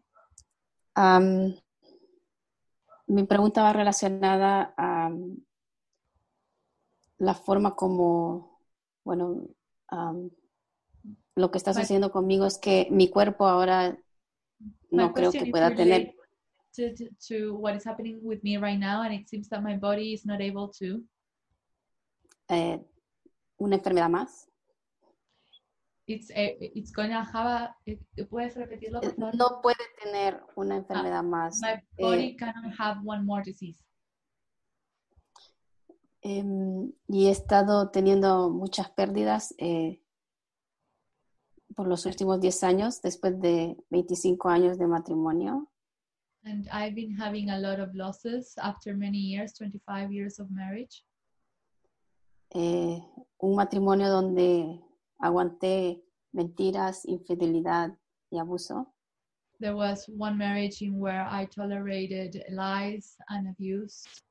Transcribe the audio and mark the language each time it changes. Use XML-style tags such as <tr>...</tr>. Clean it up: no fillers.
<en>it.</en> <es>Mi pregunta va relacionada a la forma como lo que estás haciendo conmigo es que mi cuerpo ahora no creo que pueda tener.</es> <en>To what is happening with me right now, and it seems that my body is not able to.</en> <es>Una enfermedad más.</es> <en>It's going to have a.</en> <es>¿Puedes repetirlo, por favor? No puede tener una enfermedad más.</es> <en>My body cannot have one more disease.</en> <es>Y he estado teniendo muchas pérdidas por los últimos 10 años, después de 25 años de matrimonio.</es> <en>And I've been having a lot of losses after many years, 25 years of marriage.</en> <es>Un matrimonio donde aguanté mentiras, infidelidad y abuso.</es> <en>There was one marriage in where I tolerated lies and abuse.</en>